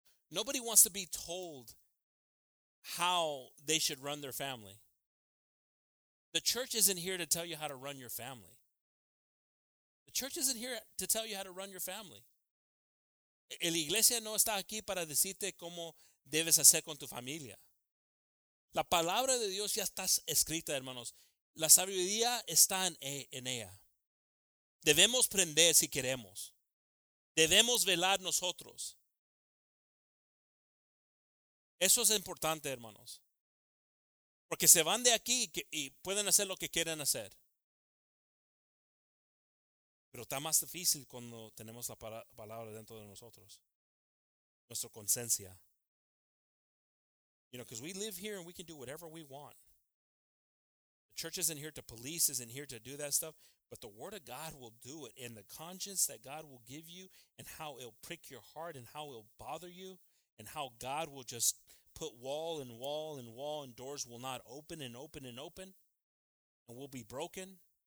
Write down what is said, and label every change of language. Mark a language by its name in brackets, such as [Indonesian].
[English] Nobody wants to be told how they should run their family. The church isn't here to tell you how to run your family. The church isn't here to tell you how to run your family. [Spanish] La iglesia no está aquí para decirte cómo debes hacer con tu familia. La palabra de Dios ya está escrita, hermanos. La sabiduría está en ella. Debemos prender si queremos. Debemos velar nosotros. Eso es importante, hermanos. Porque se van de aquí y pueden hacer lo que quieren hacer. Pero está más difícil cuando tenemos la palabra dentro de nosotros. Nuestra conciencia. [English] You know, because we live here and we can do whatever we want. The church isn't here to police, isn't here to do that stuff. But the word of God will do it. And the conscience that God will give you and how it'll prick your heart and how it'll bother you and how God will just put wall and wall and wall and doors will not open and open and open and will be broken.